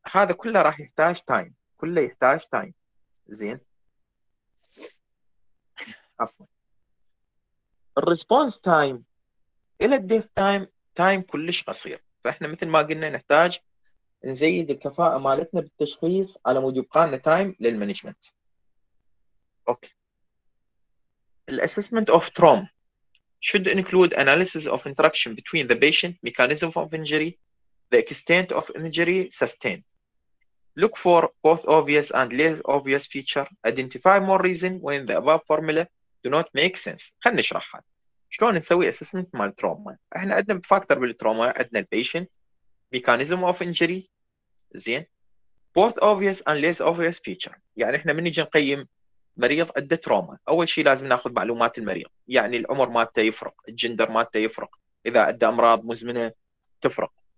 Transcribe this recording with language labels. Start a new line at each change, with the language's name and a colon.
Arabic: هذا كله راح يحتاج تايم، كله يحتاج تايم. زين، عفوا، الريسبونس تايم الى الديث تايم تايم كلش قصير. فاحنا مثل ما قلنا نحتاج نزيد الكفاءة مالتنا بالتشخيص على مود يبقى لنا تايم للمانجمنت.
English: Okay, الاسسمنت of trauma should include analysis of interaction between the patient, mechanism of injury, the extent of injury sustained. Look for both obvious and less obvious feature. Identify more reason when the above formula do not make sense.
Arabic: خلنا نشرحها. شلون نسوي اسسمنت مال تروما؟ احنا عندنا فاكتور بالتروما، عندنا البيشنت، ميكانيزم اوف انجري، زين،
English: Both obvious and less obvious feature.
Arabic: يعني احنا من نجي نقيم مريض عنده تروما، اول شيء لازم ناخذ معلومات المريض، يعني العمر مالته يفرق، الجندر مالته يفرق، اذا عنده امراض مزمنه تفرق.